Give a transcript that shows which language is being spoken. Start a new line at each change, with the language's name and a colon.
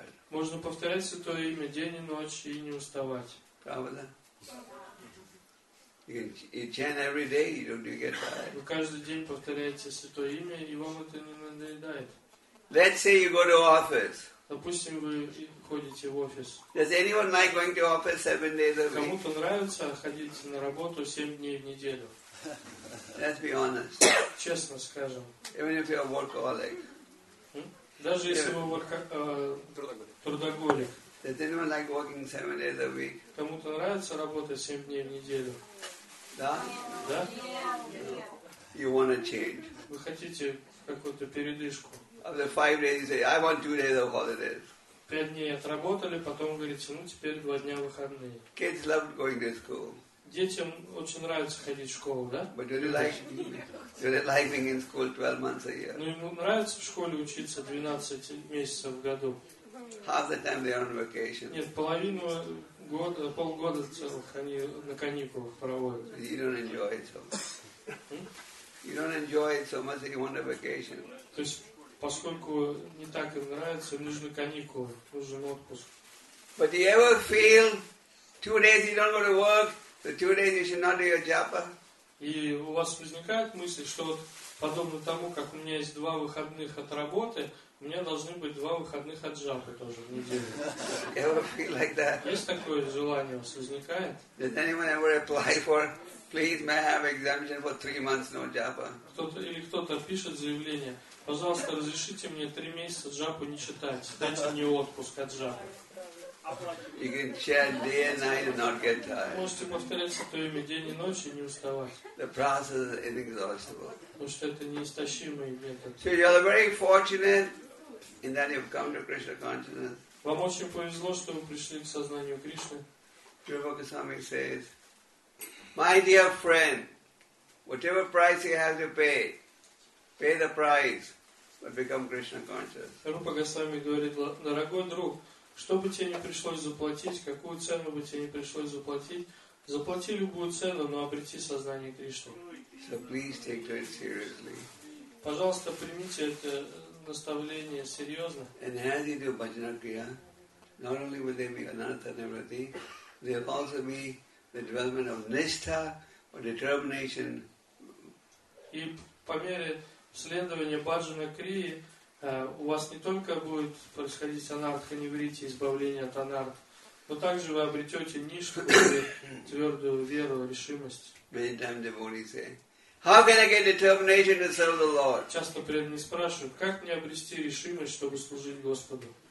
Russian: Можно повторять святое имя день и ночь и не уставать. Правда?
English: You chant every day, you don't get tired.
Russian: Вы каждый день повторяете святое имя, и вам это не надоедает.
English: Let's say you go to office.
Russian: Допустим, вы ходите в офис.
English: Does anyone like going to office 7 days a week?
Russian: Кому-то нравится ходить на работу 7 дней в неделю?
English: Let's be honest.
Russian: Честно скажем.
English: Even if you're a workaholic.
Russian: Даже если вы трудоголик.
English: Does anyone like working 7 days a week?
Russian: Кому-то нравится работать 7 дней в неделю? Да? Да?
English: You want to change.
Russian: Вы хотите какую-то передышку.
English: Of the 5 days, you say, I want 2 days of holidays.
Russian: 5 дней отработали, потом говорите, ну теперь 2 дня выходные.
English: Kids love going to school.
Russian: Детям очень нравится ходить в школу, да?
English: But do they like being in school 12 months a year?
Russian: Ну, им нравится в школе учиться 12 месяцев в году.
English: Half the time they are on vacation.
Russian: Нет, половину года, полгода целых они на каникулах проводят.
English: You don't enjoy it so much. You don't enjoy it so much that you want a vacation.
Russian: То есть, поскольку не так им нравится, нужны каникулы, нужен отпуск.
English: But do you ever feel 2 days you don't go to work, the 2 days you should not do your japa?
Russian: И у вас возникает мысль, что вот подобно тому, как у меня есть 2 выходных от работы, у меня должны быть 2 выходных от джапы тоже в неделю.
English: Like
Russian: есть такое желание у вас возникает?
English: Did anyone ever apply for, please, may I have exemption for 3 months no japa?
Russian: Кто-то пишет заявление, пожалуйста, разрешите мне 3 месяца джапу не читать, дайте мне отпуск от джапы.
English: You can chant day and night and not get tired.
Russian: Можете повторять святое имя день и ночь и не уставать.
English: The process is inexhaustible.
Russian: Потому что это неистощимый метод.
English: So you are very fortunate in that you've come to Krishna consciousness.
Russian: Вам очень повезло, что вы пришли к сознанию Кришны.
English: Prabhupada Goswami says, my dear friend, whatever price you have to pay, pay the price, but become Krishna conscious.
Russian: Рупа Госвами говорит, дорогой друг, что бы тебе ни пришлось заплатить, какую цену бы тебе ни пришлось заплатить, заплати любую цену, но обрети сознание Кришны.
English: So please take that seriously.
Russian: Пожалуйста, примите это наставление серьезно.
English: And as you do bhajana kriya, not only will there be anartha nivritti, there will also be the development of nishtha or determination.
Russian: И по мере следования bhajana kriya, у вас не только будет происходить анартха невритти, избавление от анарт, но также вы обретете нишку, твердую веру, решимость. Часто преданные спрашивают, как мне обрести решимость, чтобы служить Господу?